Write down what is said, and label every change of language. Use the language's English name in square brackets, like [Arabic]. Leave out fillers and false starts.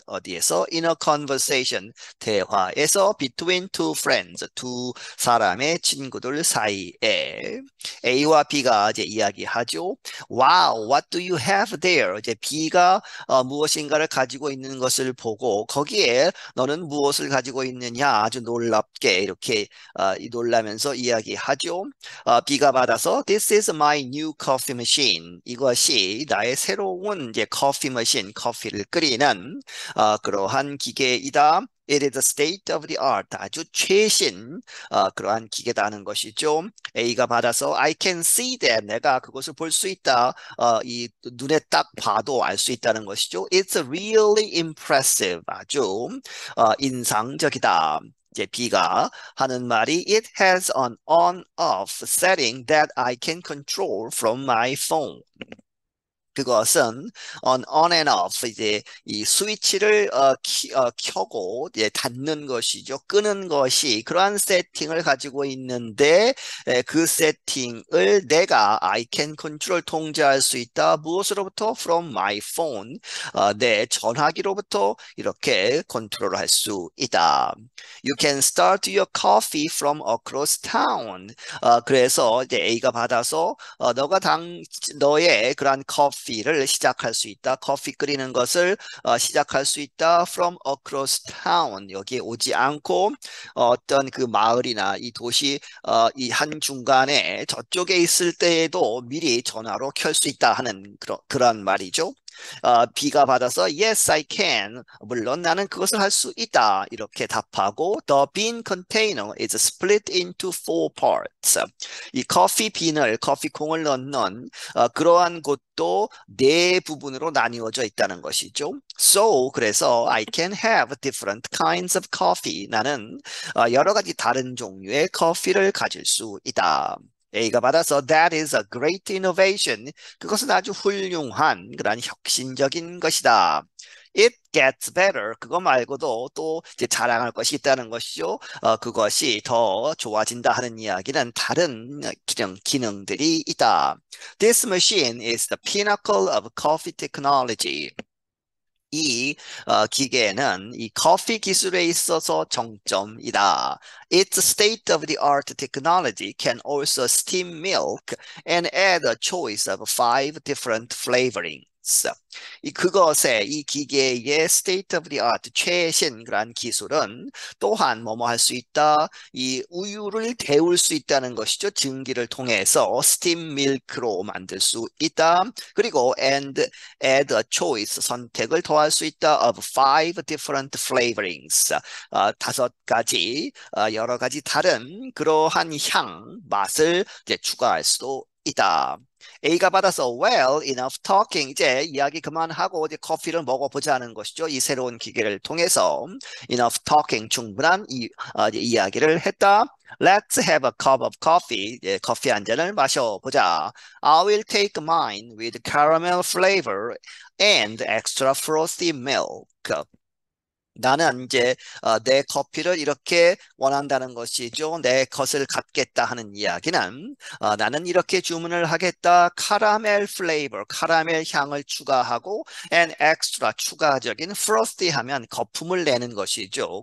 [Korean] 어디에서? [English] In a conversation, [Korean] 대화에서 [English] between two friends, [Korean] 두 사람의 친구들 사이에. A와 B가 이제 이야기하죠. [English] Wow, what do you have there? [Korean] 이제 B가 무엇인가를 가지고 있는 것을 보고 거기에 너는 무엇을 가지고 있느냐? 아주 놀랍게 이렇게 놀라면서 이야기하죠. B가 받아서 [English] This is my New coffee machine. [Korean] 이것이 나의 새로운 이제 커피 머신, 커피를 끓이는 그러한 기계이다. [English] It is a state of the art. [Korean] 아주 최신 그러한 기계다는 것이죠. A가 받아서 [English] I can see that. [Korean] 내가 그것을 볼수 있다. 이 눈에 딱 봐도 알수 있다는 것이죠. [English] It's really impressive. [Korean] 아주 인상적이다. 이제 B가 하는 말이 [English] It has an on-off setting that I can control from my phone. [Korean] 그것은 [English] on and off [Korean] 이제 이 스위치를 켜고 이제 닫는 것이죠. 끄는 것이 그러한 세팅을 가지고 있는데 그 세팅을 내가 [English] I can control [Korean] 통제할 수 있다. 무엇으로부터? [English] From my phone [Korean] 내 전화기로부터 이렇게 컨트롤할 수 있다. [English] You can start your coffee from across town. [Korean] 그래서 이제 A가 받아서 너의 그러한 커피 를 시작할 수 있다. 커피 끓이는 것을 시작할 수 있다. [English] From across town [Korean] 여기에 오지 않고 어떤 그 마을이나 이 도시 이한 중간에 저쪽에 있을 때에도 미리 전화로 켤수 있다 하는 그런 말이죠. B가 받아서 [English] Yes, I can. [Korean] 물론 나는 그것을 할수 있다. 이렇게 답하고 [English] The bean container is split into four parts. [Korean] 이 커피 빈을 커피 콩을 넣는 그러한 곳도 네 부분으로 나뉘어져 있다는 것이죠. [English] So, [Korean] 그래서 [English] I can have different kinds of coffee. [Korean] 나는 여러 가지 다른 종류의 커피를 가질 수 있다. A가 받아서 [English] That is a great innovation. [Korean] 그것은 아주 훌륭한 그런 혁신적인 것이다. [English] It gets better. [Korean] 그거 말고도 또 이제 자랑할 것이 있다는 것이요. 그것이 더 좋아진다 하는 이야기는 다른 기능들이 있다. [English] This machine is the pinnacle of coffee technology. [Korean] 이 기계는 이 커피 기술에 있어서 정점이다. [English] Its state-of-the-art technology can also steam milk and add a choice of five different flavorings. [Korean] 그것의 이 기계의 state-of-the-art 최신 그런 기술은 또한 뭐뭐 할수 있다. 이 우유를 데울 수 있다는 것이죠. 증기를 통해서 [English] steam milk [Korean] 로 만들 수 있다. 그리고 [English] and add a choice [Korean] 선택을 더할 수 있다. [English] of five different flavorings. [Korean] 다섯 가지 여러 가지 다른 그러한 향 맛을 이제 추가할 수도 있다. A가 받아서 [English] well enough talking [Korean] 이제 이야기 그만하고 이제 커피를 먹어보자는 것이죠. 이 새로운 기계를 통해서 [English] enough talking [Korean] 충분한 이야기를 했다. [English] Let's have a cup of coffee. [Korean] 이제 커피 한 잔을 마셔보자. [English] I will take mine with caramel flavor and extra frothy milk. [Korean] 나는 이제 내 커피를 이렇게 원한다는 것이죠. 내 것을 갖겠다 하는 이야기는 나는 이렇게 주문을 하겠다. 카라멜 플레이버, 카라멜 향을 추가하고 [English] and extra [Korean] 추가적인 [English] frosty [Korean] 하면 거품을 내는 것이죠.